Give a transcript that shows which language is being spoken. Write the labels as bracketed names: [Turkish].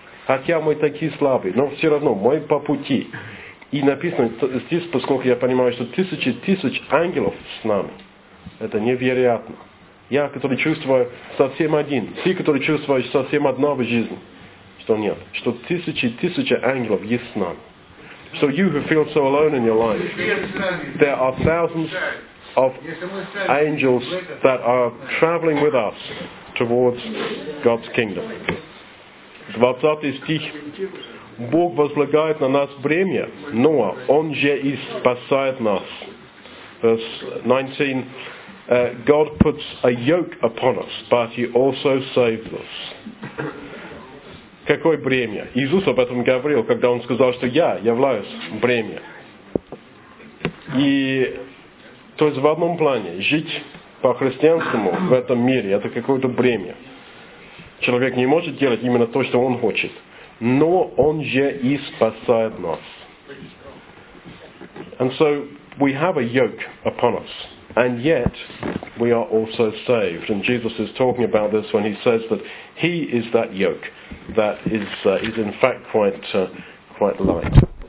[Russian] Хотя мы такие слабые, но все равно мы по пути. И написано здесь, поскольку я понимаю, что тысячи тысяч ангелов с нами. Это невероятно. Я, который чувствую совсем один, ты, который чувствуешь совсем одна в жизни, что нет, что тысячи и тысячи ангелов есть с нами. [English] So you who feel so alone in your life, there are thousands of angels that are traveling with us towards God's kingdom. [Russian] 20 стих. Бог возлагает на нас бремя, но Он же и спасает нас. [English] Verse 19. God puts a yoke upon us, but He also saves us. [Russian] Какое бремя? Иисус об этом говорил, когда Он сказал, что я являюсь бремя. И, то есть, в одном плане, жить по-христианскому в этом мире, это какое-то бремя. Человек не может делать именно то, что он хочет. Но он же и спасает нас. [English] And so, we have a yoke upon us. And yet, we are also saved. And Jesus is talking about this when he says that he is that yoke that is in fact quite light.